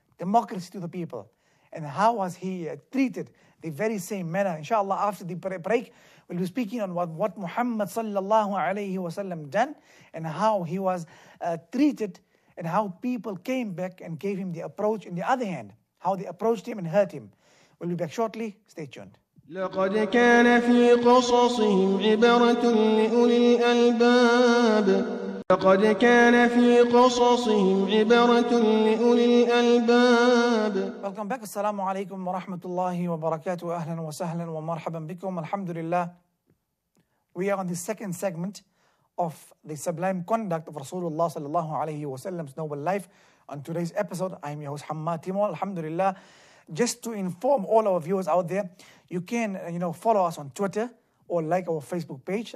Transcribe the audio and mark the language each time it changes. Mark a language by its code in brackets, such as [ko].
[en] Democracy to the people. And how was he treated? The very same manner. Inshallah, after the break, we'll be speaking on what Muhammad sallallahu alayhi wa sallam done and how he was treated and how people came back and gave him the approach. On the other hand, how they approached him and hurt him. We'll be back shortly. Stay tuned. [ar] لقد كان في قصصهم عبرة لأولي الألباب لقد كان في قصصهم عبرة لأولي الألباب. [en] Welcome back. [ar] السلام عليكم ورحمة الله وبركاته. أهلا وسهلا ومرحبا بكم. الحمد لله. [en] We are on the second segment of the sublime conduct of Rasulullah [ar] صلى الله عليه وسلم's [en] noble life. On today's episode, I am your host Hammad Timur. [ar] الحمد لله. [en] Just to inform all our viewers out there, you can, you know, follow us on Twitter or like our Facebook page.